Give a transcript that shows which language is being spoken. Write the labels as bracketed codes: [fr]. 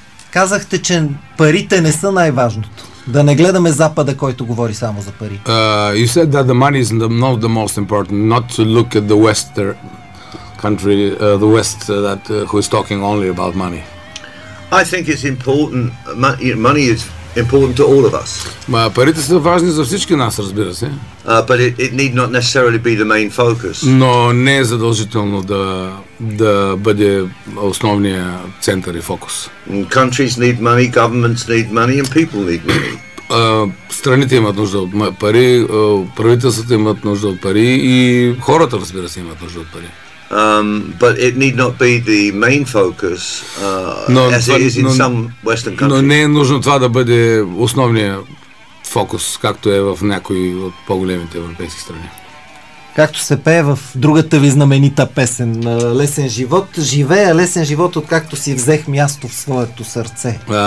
[bg] Казахте, че парите не са най-важното. Да не гледаме Запада, който говори само за пари. [en] You said that the money is not the most important, not to look at the Western country, the West who is talking only about money. I think it's important. Money is important to all of us. [bg] Парите са важни за всички нас, разбира се. [en] But it need not necessarily be the main focus. [bg] Но не е задължително да бъде основния център и фокус. [en] Countries need money, governments need money and people need money. [bg] Страните имат нужда от пари, правителствата имат нужда от пари и хората, разбира се, имат нужда от пари. [en] But it need not be the main focus as it is in some Western countries. [bg] Но не е нужно това да бъде основния фокус, както е в някои от по-големите европейски страни. Както се пее в другата ви знаменита песен Лесен живот, живея лесен живот, откакто си взех място в своето сърце.